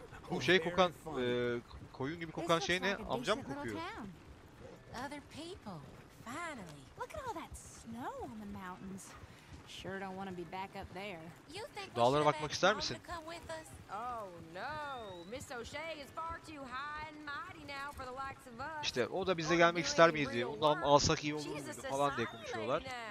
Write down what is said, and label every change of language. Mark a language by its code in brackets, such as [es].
[tr] Bu şey kokan, koyun gibi kokan şey ne? Amcam mı kokuyor? [en] Other people. Finally. Look at all that snow on the mountains. Sure don't want to be back up there. [tr] Dağlara bakmak ister misin? [en] Oh no. Miss O'Shea is far too high and mighty now for the likes of us. [tr] İşte o da bize gelmek ister miydi? Onu alsak iyi olur muydu falan diye konuşuyorlar.